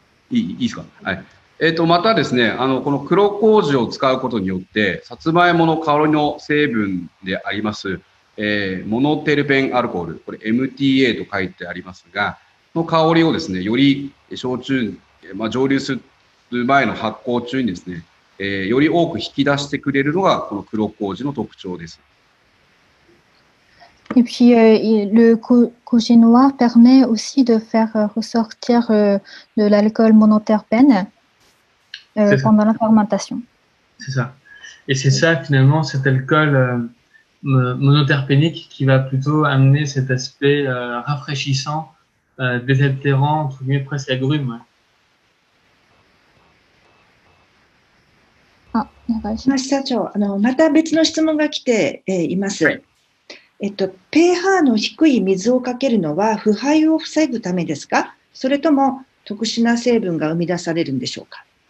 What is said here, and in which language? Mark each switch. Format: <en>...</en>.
<ja>いいですか、はい、またですね、この黒麹を使うことによってさつまいもの香りの成分であります、モノテルペンアルコール、これ MTA と書いてありますが、の香りをですね、より焼酎、まあ、蒸留する前の発酵中にですね、より多く引き出してくれるのがこの黒麹の特徴です。</ja> <fr>Et puis le koji noir permet aussi de faire ressortir de l'alcool monoterpène pendant la fermentation. C'est ça. Et c'est ça finalement, cet alcool monoterpénique qui va plutôt amener cet aspect rafraîchissant, désaltérant, tout mieux presque agrume. Ouais.</fr> <ja>Ah, また別の質問が来ています。</ja> <en>Right.</en> <ja>pH の低い水をかけるのは腐敗を防ぐためですか、それとも特殊な成分が生み出されるんでしょうか。</ja>